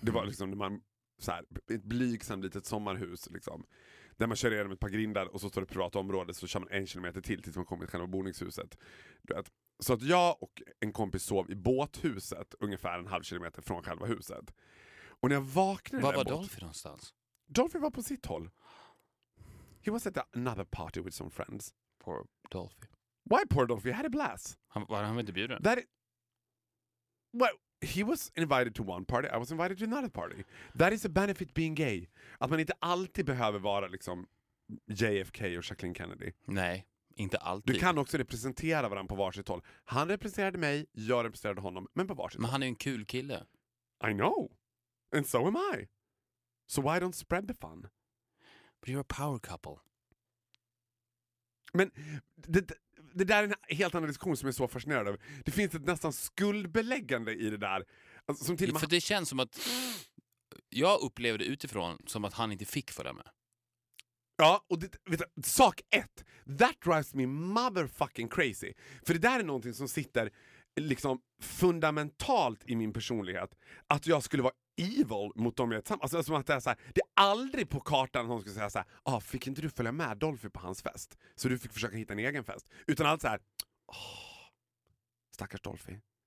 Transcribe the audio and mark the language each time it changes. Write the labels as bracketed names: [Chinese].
[Swedish] Det var liksom när man så här, ett blygsamt litet sommarhus liksom, där man kör igenom ett par grindar och så står det privat område, så kör man 1 kilometer till tills man kommer till själva boningshuset. Så att jag och en kompis sov i båthuset ungefär 1,5 kilometer från själva huset. Och när jag vaknade... Vad var Dolphy någonstans? Dolphy var på sitt håll. [English] He was at another party with some friends. Poor Dolphy. Why poor Dolphy? Had a blast. [Swedish] Han var inte bjuden. [English] Well, he was invited to one party, I was invited to another party. That is a benefit being gay. [Swedish] Att man inte alltid behöver vara liksom JFK och Jacqueline Kennedy. Nej, inte alltid. Du kan också representera varandra på varsitt håll. Han representerade mig, jag representerade honom, men på varsitt håll. Men han är en kul kille. [English] I know. And so am I. So why don't spread the fun? But you're a power couple. [Swedish] Men det där är en helt annan diskussion som jag är så fascinerad av. Det finns ett nästan skuldbeläggande i det där. Alltså, som till och med... För det känns som att jag upplevde utifrån som att han inte fick följa med. Ja, och det, vet du, sak ett. [English] That drives me motherfucking crazy. [Swedish] För det där är någonting som sitter liksom fundamentalt i min personlighet. Att jag skulle vara evil mot dem jag är tillsammans. Alltså, som att det är så här, det är aldrig på kartan som skulle säga så här, fick inte du följa med Dolphy på hans fest? Så du fick försöka hitta en egen fest. Utan allt så här, stackars Dolphy.